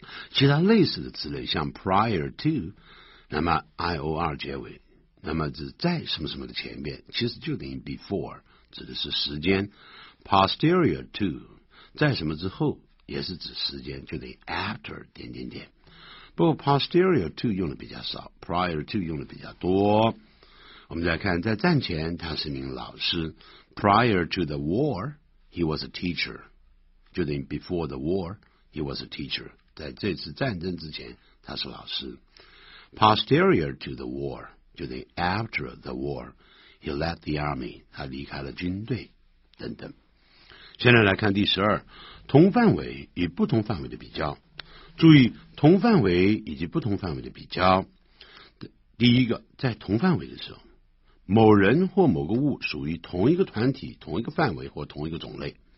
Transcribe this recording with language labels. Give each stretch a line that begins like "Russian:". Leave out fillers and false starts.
Chinese: 其他类似的词类，像 prior to， 那么 ior 结尾，那么是在什么什么的前面，其实就等于 before， 指的是时间。 posterior to， 在什么之后，也是指时间，就等于 after 点点点。不过 posterior to 用的比较少， prior to 用的比较多。我们再看，在战前他是名老师，
English: prior to the war he was a teacher，
Chinese: 就等于
English: before the war he was a teacher，
Chinese: 在这次战争之前他是老师。 posterior to the war 就等于
English: after the war he left the army，
Chinese: 他离开了军队等等。现在来看第十二，同范围与不同范围的比较。注意同范围以及不同范围的比较。第一个，在同范围的时候，某人或某个物属于同一个团体、同一个范围或同一个种类。